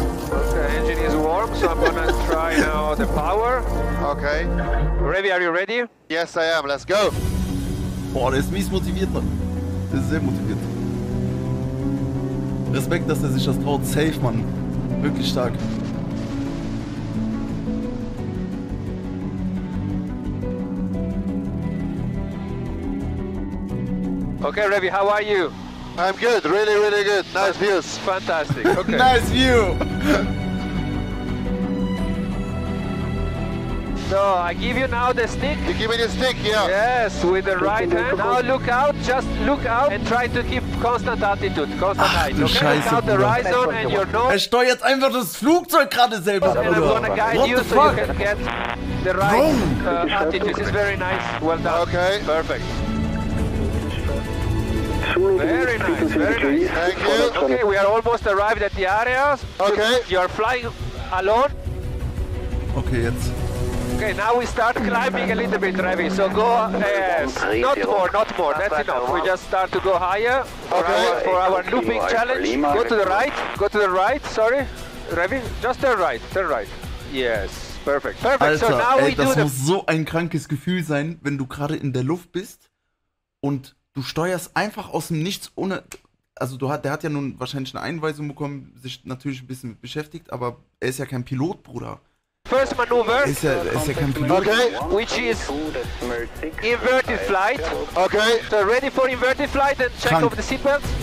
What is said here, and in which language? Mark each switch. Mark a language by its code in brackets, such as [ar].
[en] Okay, engine is warm, so I'm gonna try now the power. Okay. Ravi, are you ready? Yes, I am, let's go. [de] Boah, der ist mies motiviert, Mann. Der ist sehr motiviert. Respekt, dass er sich das traut. Safe, Mann. Wirklich stark. [en] Okay, Revi, how are you? I'm good, really, really good. Nice views. Fantastic. Okay. Nice view. So, I give you now the stick. You give me the stick, yeah. Yes, with the right hand. Now look out, just look out and try to keep constant altitude. Constant height. Okay, look out the horizon and your nose. [de] Er steuert einfach das Flugzeug gerade selber. [en] And I'm gonna guide you so you can get the right altitude. This is very nice. Well done. Okay. Perfect. Very nice, very nice. Thank you. Okay, we are almost arrived at the areas. Okay. You are flying alone. [de] Okay, jetzt. [en] Okay, now we start climbing a little bit, Revi. So go, not more, that's enough. We just start to go higher for our looping challenge. Go to the right, Revi. Just turn right. Yes, perfect. Perfect. [de] Alter, [en] so now we do [de] das muss so ein krankes Gefühl sein, wenn du gerade in der Luft bist und du steuerst einfach aus dem Nichts ohne... Also der hat ja nun wahrscheinlich eine Einweisung bekommen, sich natürlich ein bisschen beschäftigt, aber er ist ja kein Pilot, Bruder. [en] First maneuver. Is there a computer? Okay. Which is inverted flight. Okay. So ready for inverted flight and check of the seatbelts.